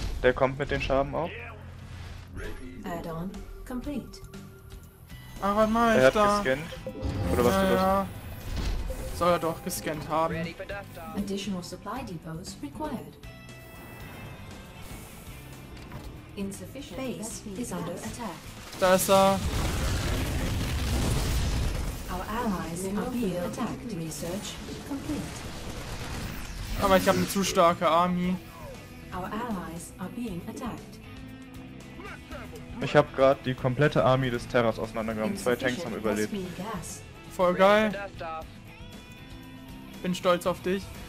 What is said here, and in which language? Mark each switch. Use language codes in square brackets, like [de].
[de] Der kommt mit den Schaben auch. [en] Add on [de] complete. Ach, warte mal, ich da. Er hat gescannt. Oder was ja. Soll er doch gescannt haben. [en] Additional supply depots required. Insufficient base is under attack. [de] Da ist er. [en] Our allies are being attacked. Research complete. [de] Aber ich habe eine zu starke Army. [en] Our allies are being attacked. [de] Ich habe gerade die komplette Army des Terras auseinandergenommen. Zwei Tanks haben überlebt. Voll geil. Bin stolz auf dich.